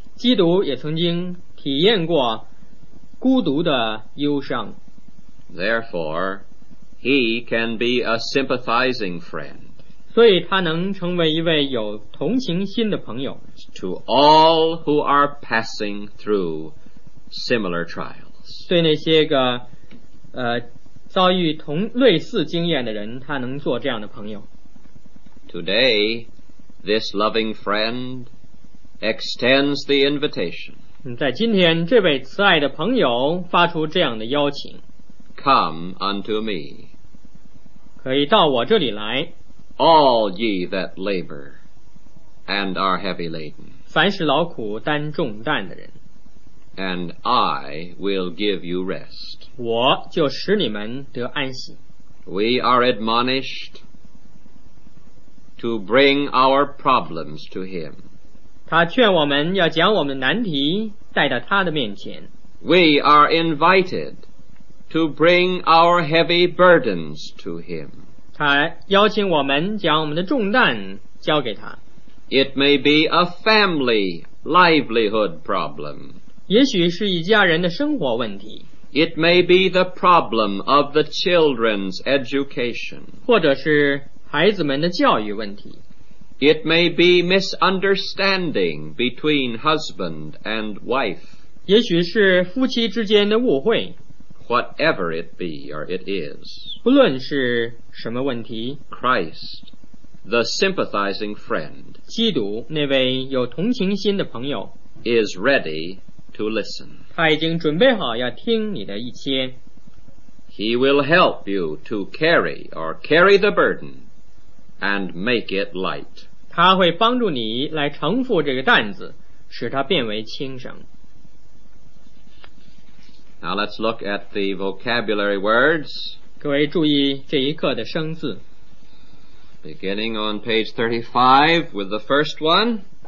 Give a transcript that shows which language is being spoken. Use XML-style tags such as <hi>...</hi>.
<zh>基督也曾经体验过孤独的忧伤。</zh> <en>Therefore, he can be a sympathizing friend.</en> <zh>所以他能成为一位有同情心的朋友。</zh> <en>To all who are passing through similar trials.</en> <zh>对那些个遭遇同类似经验的人，他能做这样的朋友。</zh> <en>Today, this loving friend extends the invitation.</en> <zh>在今天，这位慈爱的朋友发出这样的邀请。</zh> <en>Come unto me.</en> <zh>可以到我这里来。</zh> <en>All ye that labor and are heavy laden,</en> <zh>凡是劳苦担重担的人,</zh> <en>and I will give you rest.</en> <zh>我就使你们得安息。</zh> <en>We are admonished to bring our problems to him.</en> <zh>他劝我们要将我们的难题带到他的面前。</zh> <en>We are invited to bring our heavy burdens to him.</en> <zh>他邀请我们将我们的重担交给他。</zh> <en>It may be a family livelihood problem.</en> <zh>也许是一家人的生活问题。</zh> <en>It may be the problem of the children's education.</en> <zh>或者是孩子们的教育问题。</zh> <en>It may be misunderstanding between husband and wife.</en> <zh>也许是夫妻之间的误会。</zh> <en>Whatever it be or it is,</en> <zh>不论是什么问题,</zh> <en>Christ, the sympathizing friend,</en> <zh>基督那位有同情心的朋友,</zh> <en>is ready to listen.</en> <zh>他已经准备好要听你的一些。</zh> <en>He will help you to carry or carry the burden and make it light.</en> <zh>他会帮助你来承负这个担子,使它变为轻省。</zh> <en>Now let's look at the vocabulary words.</en> <zh>各位注意这一课的生字。</zh> <en>Beginning on page 35 with the first one.</en>